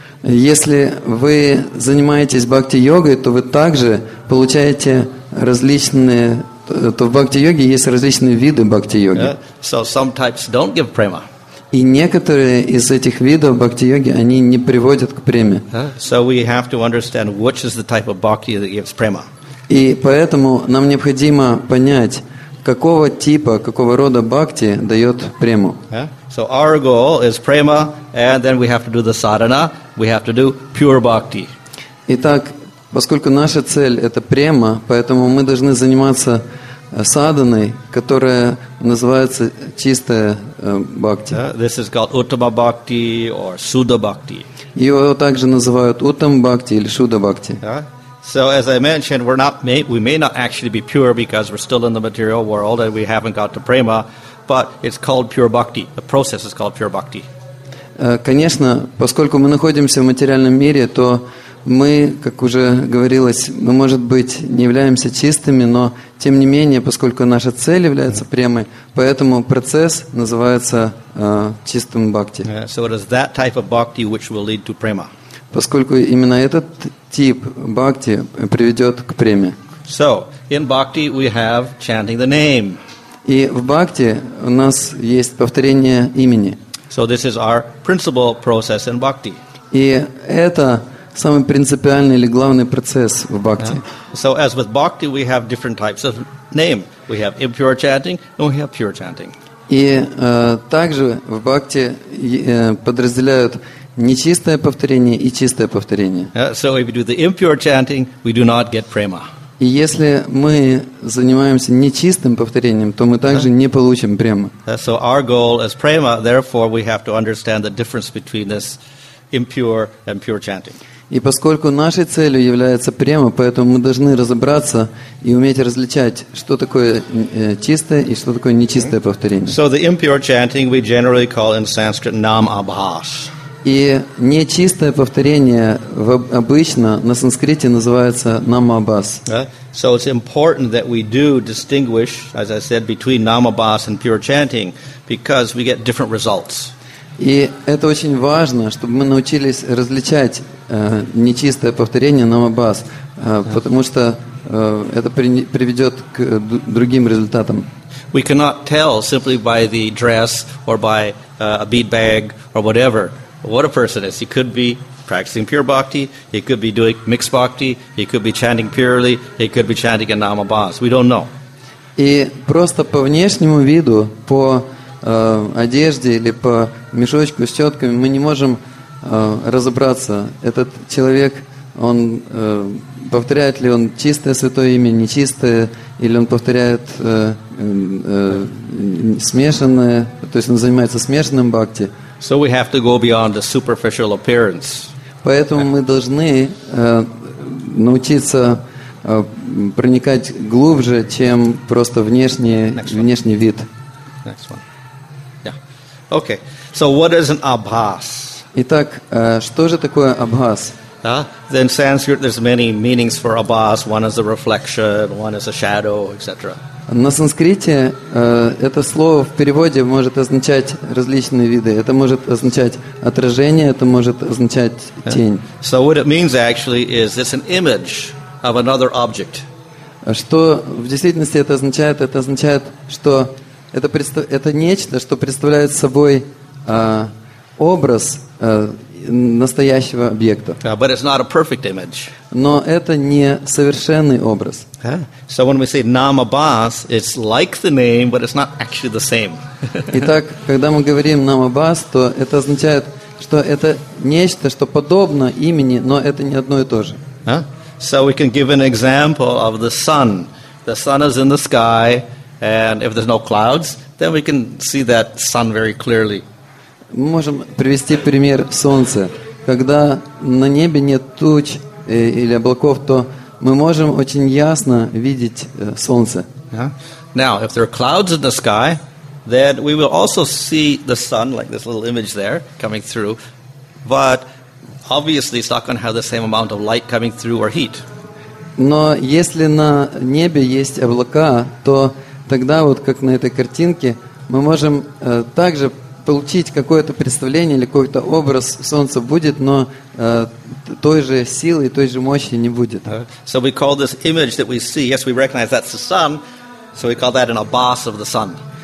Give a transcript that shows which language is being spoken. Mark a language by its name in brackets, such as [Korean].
[Russian] Если вы занимаетесь бхакти-йогой, то вы также получаете различные... То в бхакти-йоге есть различные виды бхакти-йоги. [English] Yeah. So some types don't give prema. [Russian] И некоторые из этих видов бхакти-йоги, они не приводят к преме. [English] So we have to understand which is the type of bhakti that gives prema. [Russian] И поэтому нам необходимо понять, какого типа, какого рода бхакти дает прему. [English] So our goal is prema, and then we have to do the sadhana. We have to do pure bhakti. [Russian] Итак, поскольку наша цель это према, поэтому мы должны заниматься садханой, которая называется чистая бхакти. [English] This is called uttama bhakti or suddha bhakti. [Russian] Ее также называют uttama bhakti или suddha bhakti. [English] So as I mentioned, we may not actually be pure because we're still in the material world and we haven't got to prema, but it's called pure bhakti. The process is called pure bhakti. [Russian] Конечно, поскольку мы находимся в материальном мире, то мы, как уже говорилось, мы, может быть, не являемся чистыми, но, тем не менее, поскольку наша цель является премой, поэтому процесс называется чистым бхакти. [English] So it is that type of bhakti which will lead to prema. [Russian] Поскольку именно этот тип бхакти приведет к преме. [English] So, in bhakti we have chanting the name. [Russian] И в бхакти у нас есть повторение имени. [English] So this is our principal process in bhakti. [Russian] И это самый принципиальный или главный процесс в бхакти. [English] So as with bhakti, we have different types of name. We have impure chanting and we have pure chanting. [Russian] И также в бхакти подразделяют нечистое повторение и чистое повторение. [English] So if you do the impure chanting, we do not get prema. [Russian] И если мы занимаемся нечистым повторением, то мы также не получим прему. [English] So our goal is prema, therefore we have to understand the difference between this impure and pure chanting. [Russian] И поскольку нашей целью является према, поэтому мы должны разобраться и уметь различать, что такое чистое и что такое нечистое повторение. [English] So the impure chanting we generally call in Sanskrit nam abhas. [Russian] И нечистое повторение обычно на санскрите называется намабас. [English] So it's important that we do distinguish, as I said, between намабас and pure chanting, because we get different results. [Russian] И это очень важно, чтобы мы научились различать нечистое повторение намабас, потому что это приведет к другим результатам. [English] We cannot tell simply by the dress or by a bead bag or whatever. What a person is. He could be practicing pure bhakti, he could be doing mixed bhakti, he could be chanting purely, he could be chanting a namabhas. We don't know. [Russian] И просто по внешнему виду, по одежде или по мешочку с тетками, мы не можем разобраться, этот человек, он повторяет ли он чистое святое имя, нечистое, или он повторяет смешанное, то есть он занимается смешанным бхакти. [English] So we have to go beyond the superficial appearance. [Russian] Поэтому мы должны научиться проникать глубже, чем просто внешний вид. [English] Next one. Yeah. Okay. So what is an abhas? [Russian] Итак, что же такое абхас? [English] In Sanskrit, there's many meanings for abhas. One is a reflection, one is a shadow, etc. [Russian] На санскрите это слово в переводе может означать различные виды. Это может означать отражение, это может означать тень. [English] So what it means actually is it's an image of another object. [Russian] Что в действительности это означает? Это означает, что это нечто, что представляет собой образ настоящего объекта. [English] But it's not a perfect image. [Russian] Но это не совершенный образ. [English] So when we say Nam Abhas, it's like the name, but it's not actually the same. [Russian] Итак, когда мы говорим Нам Абхас, то это означает, что это нечто, что подобно имени, но это не одно и то же. [English] So we can give an example of the sun. The sun is in the sky, and if there's no clouds, then we can see that sun very clearly. [Russian] Мы можем привести пример солнца. Когда на небе нет туч или облаков, то мы можем очень ясно видеть солнце. [English] Now, if there are clouds in the sky, then we will also see the sun, like this little image there, coming through. But obviously, it's not going to have the same amount of light coming through or heat. [Russian] Но если на небе есть облака, то тогда, вот как на этой картинке, мы можем также получить какое-то представление или какой-то образ солнца будет, но той же силы и той же мощи не будет. [English] So we call this image that we see, yes, we recognize that's the sun, so we call that an abhas of the sun.